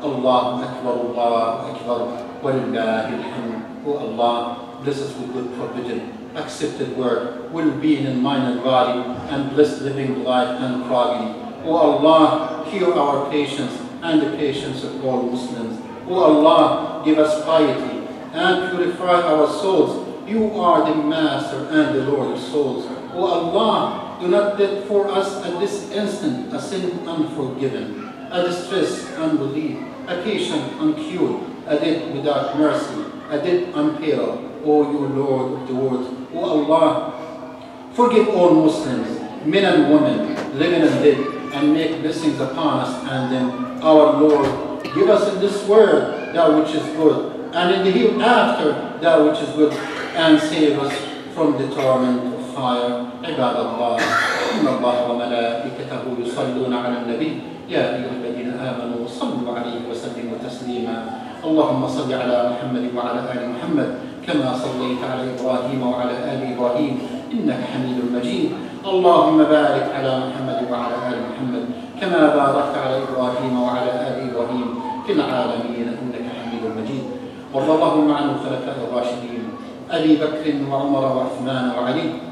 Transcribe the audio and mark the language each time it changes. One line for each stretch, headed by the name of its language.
Arabic: الله أكبر الله أكبر ولله الحمد.
English: Oh Allah, bless us with good provision, accepted work, well-being in mind and body, and blessed living life and progeny. Oh Allah, heal our patients and the patients of all Muslims. Oh Allah, give us piety and purify our souls. You are the master and the Lord of souls. Oh Allah, do not let for us at this instant a sin unforgiven, a distress unbelief, a patient uncured, a debt without mercy, a debt unpaid. Oh you Lord of the world, oh Allah, forgive all Muslims, men and women, living and dead, and make blessings upon us and them. Our Lord, give us in this world that which is good, and in the hereafter that which is good, and save us from the torment of fire.
Arabic: عباد الله إن الله وملائكته يصلون على النبي يا أيها الذين آمنوا صلوا عليه وسلموا تسليما اللهم صل على محمد وعلى آل محمد كما صليت على إبراهيم وعلى آل إبراهيم إنك حميد مجيد اللهم بارك على محمد وعلى آل محمد كما باركت على إبراهيم وعلى آل إبراهيم في العالمين إنك حميد مجيد وارض اللهم عن الخلفاء الراشدين أبي بكر وعمر وعثمان وعلي